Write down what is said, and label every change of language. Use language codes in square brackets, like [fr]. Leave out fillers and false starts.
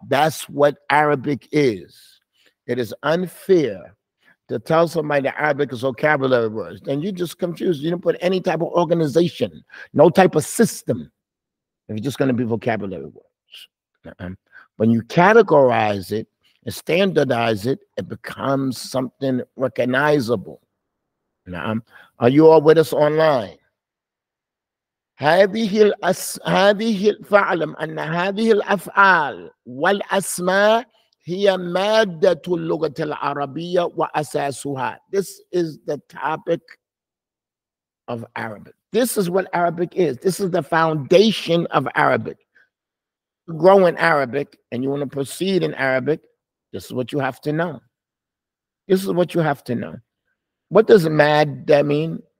[en] That's what Arabic is. It is unfair to tell somebody that Arabic is vocabulary words, then you're just confused. You didn't put any type of organization, no type of system, if it's just going to be vocabulary words. When you categorize it and standardize it, it becomes something recognizable. Are you all with us online? [ar] هذه فعلم أن هذه الأفعال والأسماء هي مادة اللغة العربية وأساسها. [en] This is the topic of Arabic. This is what Arabic is. This is the foundation of Arabic. You grow in Arabic and you want to proceed in Arabic, this is what you have to know. This is what you have to know. What does مادة mean?